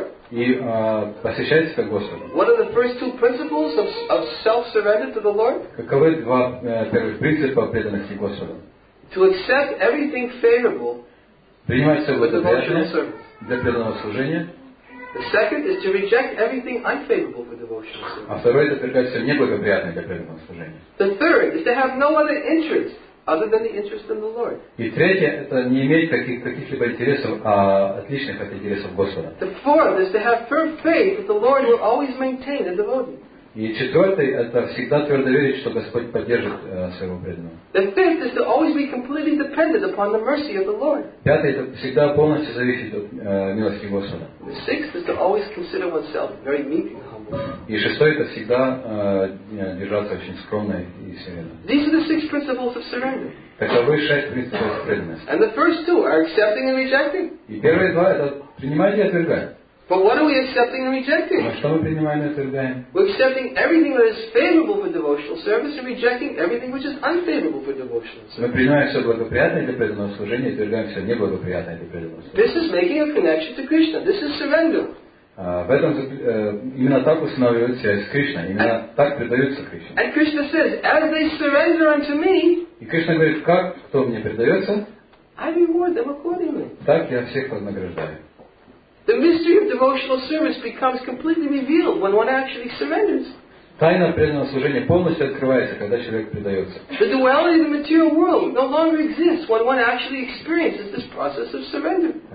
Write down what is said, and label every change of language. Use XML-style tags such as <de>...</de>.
<ru>И посвящает себя Господу.</ru> <en>What are the first two principles of self-surrender to the Lord?</en> <ru>Каковы два первых принципа преданности Господу?</ru> <en>To accept everything favorable.</en> <ru>Принимать все благоприятное для преданного служения.</ru> <en>The second is to reject everything unfavorable for devotional service.</en> <ru>А второе — это отвергать все неблагоприятное для преданного служения.</ru> <en>The third is to have no other interest other than the interest in the Lord.</en> <ru>И третье — это не иметь каких-либо интересов, отличных от интересов Господа.</ru> <en>The fourth is to have firm faith that the Lord will always maintain a devotee.</en> <ru>И четвертое — это всегда твердо верить, что Господь поддержит своего преданного.</ru> <en>The fifth is to always be completely dependent upon the mercy of the Lord.</en> <ru>Пятое — это всегда полностью зависеть от милости Господа.</ru> <en>The sixth is to always consider oneself very meek and humble.</en> <ru>И шестое — это всегда держаться очень скромно и смиренно.</ru> <en>These are the six principles of surrender.</en> <ru>Таковы шесть принципов преданности.</ru> <en>And the first two are accepting and rejecting.</en> <ru>И первые два — это принимать и отвергать.</ru> <en>But what are we accepting and rejecting?</en> <ru>А что мы принимаем и отвергаем?</ru> <en>We're accepting everything that is favorable for devotional service and rejecting everything which is unfavorable for devotional service.</en> <ru>Мы принимаем все благоприятное для преданного служения и отвергаем все неблагоприятное для преданного служения.</ru> <en>This is making a connection to Krishna. This is surrender.</en> <ru>В этом именно так устанавливают связь с Кришной. Именно так предаются Кришне.</ru> <en>And Krishna says, as they surrender unto me,</en> <ru>и Кришна говорит, как кто мне предается,</ru> <en>I reward them accordingly.</en> <ru>Так я всех вознаграждаю.</ru> <en>The mystery of devotional service becomes completely revealed when one actually surrenders.</en> <ru>Тайна преданного служения полностью открывается, когда человек предается.</ru> <en>The duality of the material world no longer exists when one actually experiences this process of surrender.</en>